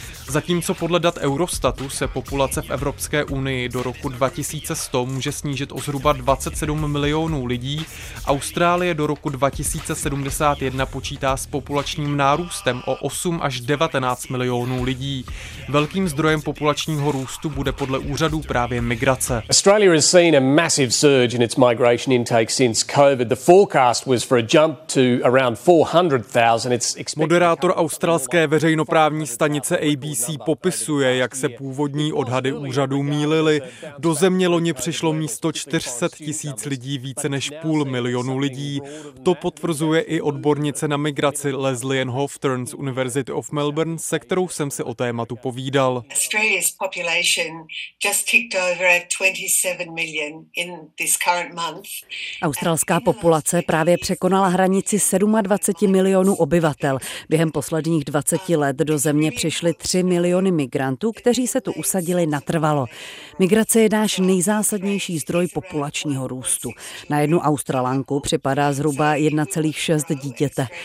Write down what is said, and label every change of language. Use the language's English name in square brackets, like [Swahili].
[Czech] Zatímco podle dat Eurostatu se populace v Evropské unii do roku 2100 může snížit o zhruba 27 milionů lidí, Austrálie do roku 2071 počítá s populačním nárůstem o 8 až 19 milionů lidí. Velkým zdrojem populačního růstu bude podle úřadů právě migrace. [English] Australia has seen a massive surge in its migration intake since COVID. The forecast was for a jump to around 400,000. [Czech] Moderátor australské veřejnoprávní stanice ABC popisuje, jak se původní odhady úřadů mýlily. Do země loni přišlo místo 400 tisíc lidí více než půl milionu lidí. To potvrzuje i odbornice na migraci Leslie Ann Hofstra z University of Melbourne, se kterou jsem si o téma tu povídal. [English] Australia's population just ticked over 27 million in this current month. [Czech] Australská populace právě překonala hranici 27 milionů obyvatel. Během posledních 20 let do země přišly 3 miliony migrantů, kteří se tu usadili natrvalo. Migrace je náš nejzásadnější zdroj populačního růstu. Na jednu Australanku připadá zhruba 1,6 dítěte.